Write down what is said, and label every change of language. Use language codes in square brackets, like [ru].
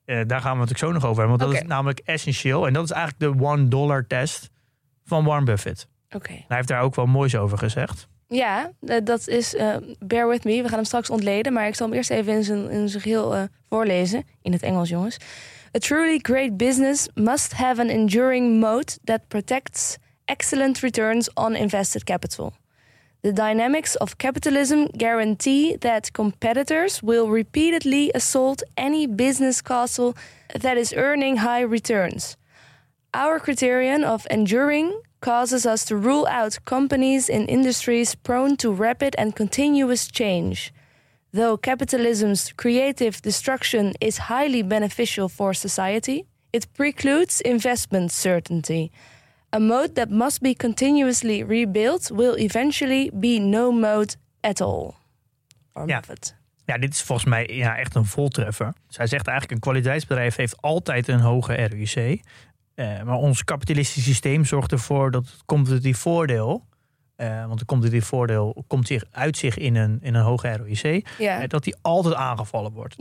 [nl] Daar gaan we het ook zo nog over hebben, want dat is namelijk essentieel. En dat is eigenlijk de $1 test van Warren Buffett. Okay. Hij heeft daar ook wel moois over gezegd. Ja, dat is, [en] bear with me, [nl] we gaan hem straks ontleden, maar ik zal hem eerst even in zijn geheel voorlezen, in het Engels jongens. [en] A truly great business must have an enduring moat that protects excellent returns on invested capital. The dynamics of capitalism guarantee that competitors will repeatedly assault any business castle that is earning high returns. Our criterion of enduring causes us to rule out companies in industries prone to rapid and continuous change. Though capitalism's creative destruction is highly beneficial for society, it precludes investment certainty. A mode that must be continuously rebuilt will eventually be no mode at all. [nl] Ja, dit is volgens mij echt een voltreffer. Zij zegt eigenlijk, een kwaliteitsbedrijf heeft altijd een hoge ROIC. Maar ons kapitalistisch systeem zorgt ervoor dat het competitief voordeel, want het competitief voordeel komt zich uit zich in een hoge ROIC, dat die altijd aangevallen wordt.